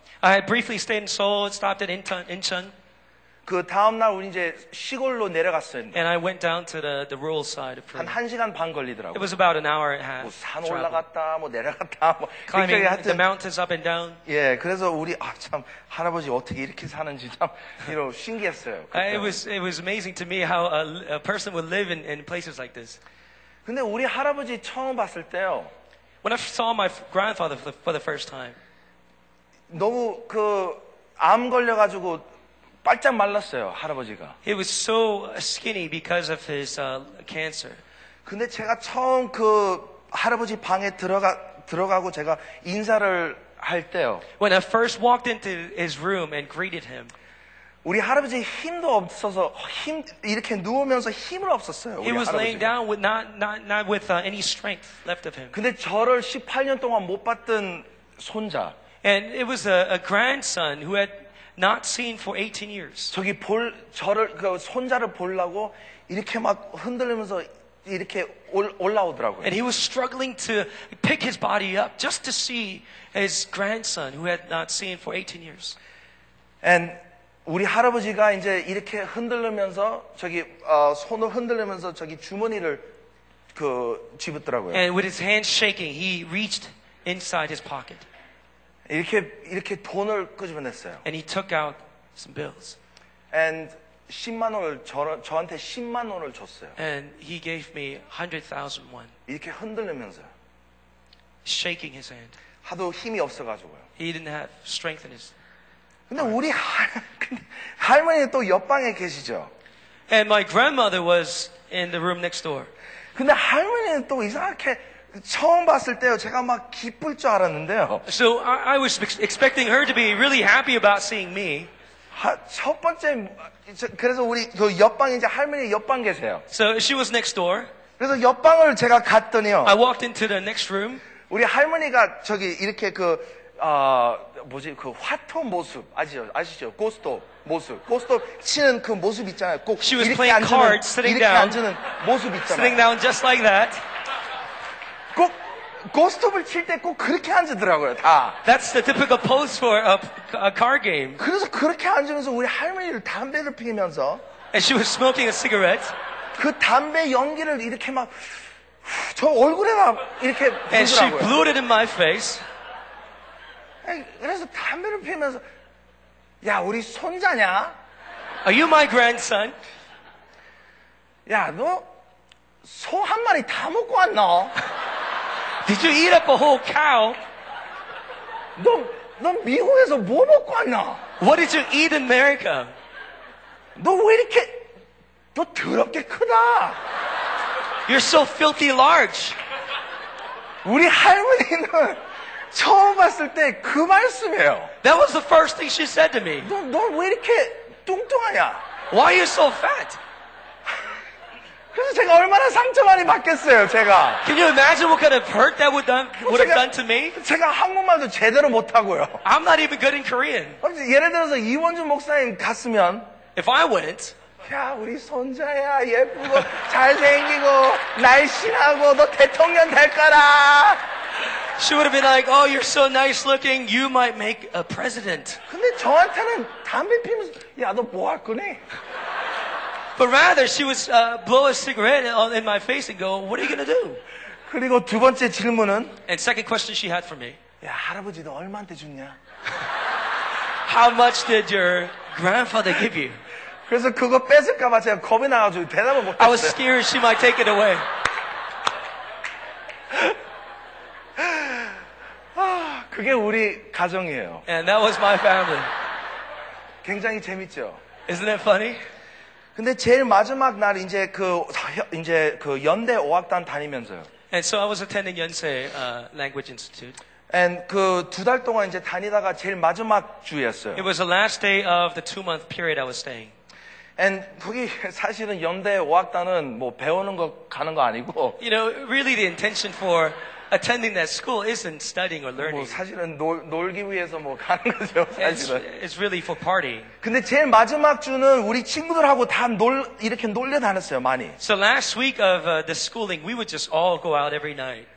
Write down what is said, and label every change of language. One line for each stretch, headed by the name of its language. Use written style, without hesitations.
English: I briefly stayed in Seoul, stopped at Incheon.
Korean: 그 다음 날 우리 이제 시골로 내려갔어요.
English: And I went down to the rural side of Korea.
Korean: 한 시간 반 걸리더라고.
English: It was about an hour and a half.
Korean: 뭐 산 올라갔다, 뭐 내려갔다, 뭐.
English: Climbing the mountains up and down.
Korean: 예, 그래서 우리 참 할아버지 어떻게 이렇게 사는지 참 이런 신기했어요.
English: It was amazing to me how a person would live in places like this.
Korean: 근데 우리 할아버지 처음 봤을 때요.
English: When I saw my grandfather for the first time.
Korean: 너무 그 암 걸려가지고. 빨짝 말랐어요, 할아버지가.
English: He was so skinny because of his cancer.
Korean: 근데 제가 처음 그 할아버지 방에 들어가고 제가 인사를 할 때요.
English: When I first walked into his room and greeted him.
Korean: 우리 할아버지 힘도 없어서 이렇게 누우면서 힘을 없었어요.
English: He was laying down with not with any strength left of him.
Korean: 근데 저를 18년 동안 못 봤던 손자.
English: And it was a grandson who had not seen for 18 years.
Korean: 저기 볼 저를 그 손자를 보려고 이렇게 막 흔들리면서 이렇게 올라오더라고요.
English: And he was struggling to pick his body up just to see his grandson who had not seen for 18 years. And
Korean: 우리 할아버지가 이제 이렇게 흔들면서 저기 손을 흔들면서 저기 주머니를 그 집었더라고요.
English: And with his hands shaking, he reached inside his pocket.
Korean: 이렇게 돈을 끄집어냈어요.
English: And he took out some bills. And
Korean: 10만 원을 저한테 10만 원을 줬어요.
English: And he gave me 100,000 won.
Korean: 이렇게 흔들면서
English: shaking his hand.
Korean: 하도 힘이 없어 가지고요.
English: He didn't have strength in his.
Korean: 근데 우리 할머니 또 옆방에 계시죠?
English: And my grandmother was in the room next door.
Korean: 근데 할머니는 또 이상하게 처음 봤을 때요, 제가 막 기쁠 줄 알았는데요.
English: So I was expecting her to be really happy about seeing me.
Korean: 첫 번째 그래서 우리 그 옆방에 이제 할머니 옆방 계세요.
English: So she was next door.
Korean: 그래서 옆방을 제가 갔더니요.
English: I walked into the next room.
Korean: 우리 할머니가 저기 이렇게 그 뭐지 그 화토 모습 아시죠 고스톱 모습 고스톱 치는 그 모습 있잖아요. 꼭
English: she was
Korean: 이렇게
English: playing
Korean: 앉으면,
English: cards, sitting
Korean: 이렇게
English: down,
Korean: 앉으는 모습 있잖아요.
English: Sitting down just like that.
Korean: 꼭 고스톱을 칠 때 꼭 그렇게 앉으더라고요. 다.
English: That's the typical pose for a car game.
Korean: 그래서 그렇게 앉으면서 우리 할머니를 담배를 피우면서.
English: And she was smoking a cigarette.
Korean: 그 담배 연기를 이렇게 막 저 얼굴에 막 이렇게 부르더라고요.
English: And she blew it in my face.
Korean: 그래서 담배를 피우면서 야 우리 손자냐?
English: Are you my grandson?
Korean: 야 너 소 한 마리 다 먹고 왔나?
English: Did you eat up a whole cow?
Korean: 너 미국에서 뭐 먹고 왔나?
English: What did you eat in America?
Korean: 너 왜 이렇게 너 더럽게 크다?
English: You're so filthy large.
Korean: 우리 할머니는 처음 봤을 때 그 말씀이에요.
English: That was the first thing she said to me.
Korean: 너 왜 이렇게 뚱뚱하냐?
English: Why are you so fat?
Korean: 그래서 제가 얼마나 상처 많이 받겠어요, 제가.
English: Can you imagine what kind of hurt that would have done to me?
Korean: 제가 한국말도 제대로 못하고요.
English: I'm not even good in Korean.
Korean: 예를 들어서 이원준 목사님 갔으면
English: If I went,
Korean: 야, 우리 손자야, 예쁘고 잘생기고 날씬하고 너 대통령 될 거라.
English: She would have been like, oh, you're so nice looking. You might make a president.
Korean: 근데 저한테는 담배 피면서, 야, 너 뭐 할 거니?
English: But rather, she would blow a cigarette in my face and go, what are you going to do?
Korean: 그리고 두 번째 질문은?
English: And second question she had for me.
Korean: 야, 할아버지 너 얼마한테 줬냐?
English: How much did your grandfather give you?
Korean: 그래서 그거 뺏을까 봐 제가 겁이 나가지고 대답을 못했어요.
English: I was scared she might take it away.
Korean: 그게 우리 가정이에요.
English: And that was my family.
Korean: 굉장히 재밌죠.
English: Isn't that funny?
Korean: 근데 제일 마지막 날 이제 그 연대 오학단 다니면서요.
English: And so I was attending Yonsei Language Institute. And
Korean: 그 두 달 동안 이제 다니다가 제일 마지막 주였어요.
English: It was the last day of the two-month period I was staying. And
Korean: 거기 사실은 연대 오학단은 뭐 배우는 거 가는 거 아니고.
English: You know, really the intention for attending that school isn't studying or learning.
Korean: 뭐 사실은 놀기 위해서 뭐 가는 거죠. 사실은.
English: It's really for partying.
Korean: 근데 제일 마지막 주는 우리 친구들하고 다 놀 이렇게 놀려 다녔어요 많이.
English: So last week of the schooling, we would just all go out every night.